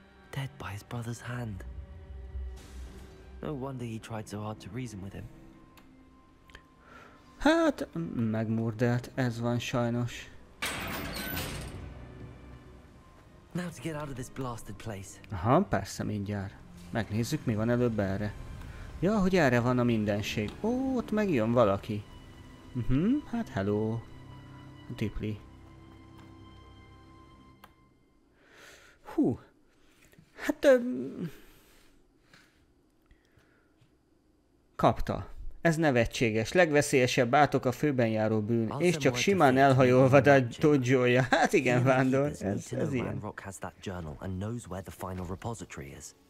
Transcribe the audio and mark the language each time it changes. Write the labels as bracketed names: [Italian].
[English] Dead by his brother's hand. No wonder he tried so hard to reason with him. [Hungarian] Hát, megmordelt, ez van sajnos. [English] Now to get out of this blasted place. [Hungarian] Aha, persze, mindjárt. Megnézzük, mi van előbb erre. Ja, hogy erre van a mindenség. Ó, ott megjön valaki. Hát hello. Tipli. Hú. Hát, kapta. Ez nevetséges. Legveszélyesebb átok a főben járó bűn. És csak simán elhajolva a dodzsolja. Hát igen, Vándor. Ez ilyen. [English] Ranrok has that journal and knows where the final repository is.